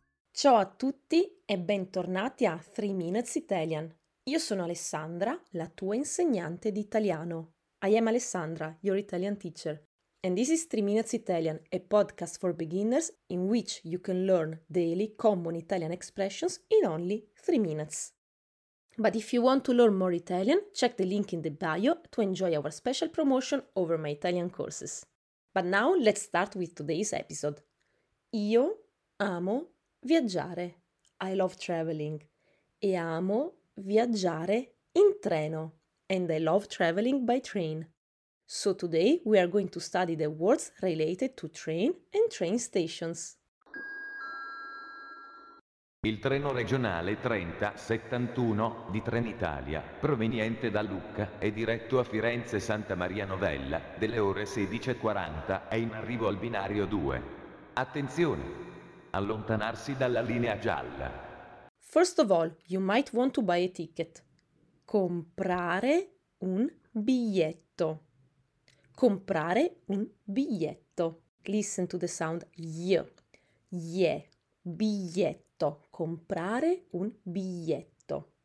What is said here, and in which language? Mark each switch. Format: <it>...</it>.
<it>Ciao a tutti e bentornati a 3 Minutes Italian. Io sono Alessandra, la tua insegnante di italiano.</it> <en>I am Alessandra, your Italian teacher. And this is 3 Minutes Italian, a podcast for beginners in which you can learn daily common Italian expressions in only 3 minutes. But if you want to learn more Italian, check the link in the bio to enjoy our special promotion over my Italian courses. But now let's start with today's episode.</en> <it>Io amo viaggiare.</it> <en>I love traveling.</en> <it>E amo viaggiare in treno.</it> <en>And I love traveling by train. So today we are going to study the words related to train and train stations.</en> <it>Il treno regionale 3071 di Trenitalia, proveniente da Lucca, è diretto a Firenze Santa Maria Novella, delle ore 16:40, è in arrivo al binario 2. Attenzione! Allontanarsi dalla linea gialla.</it> <en>First of all, you might want to buy a ticket.</en> <it>Comprare un biglietto. Comprare un biglietto.</it> <en>Listen to the sound ye. Ye.</en> <it>Biglietto. Comprare un biglietto.</it>